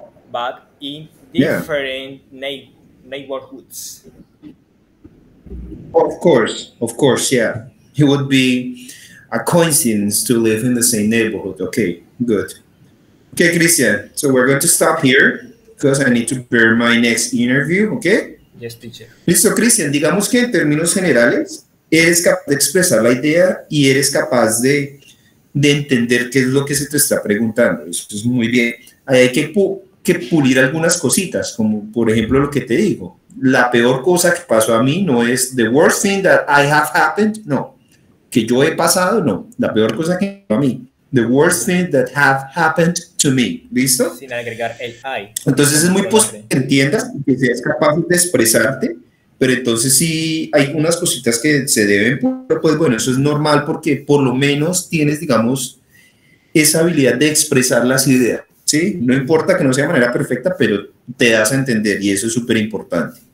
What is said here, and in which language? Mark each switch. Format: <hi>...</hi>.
<en>But in different neighborhoods. Of course, yeah. It would be a coincidence to live in the same neighborhood. Okay, good. Okay, Cristhian, so we're going to stop here because I need to prepare my next interview, okay? Yes, teacher.</en> <es>Listo, Cristhian, digamos que en términos generales, eres capaz de expresar la idea y eres capaz de entender qué es lo que se te está preguntando. Eso es muy bien. Ahí hay que pulir algunas cositas, como por ejemplo lo que te digo. La peor cosa que pasó a mí no es</es> <en>the worst thing that I have happened,</en> <es>no. Que yo he pasado, no. La peor cosa que a mí.</es> <en>The worst thing that have happened to me.</en> <es>¿Listo? Sin agregar el I. Entonces es muy posible que entiendas que seas capaz de expresarte, pero entonces sí hay unas cositas que se deben, pero pues bueno, eso es normal porque por lo menos tienes, digamos, esa habilidad de expresar las ideas, ¿sí? No importa que no sea de manera perfecta, pero te das a entender y eso es súper importante.</es>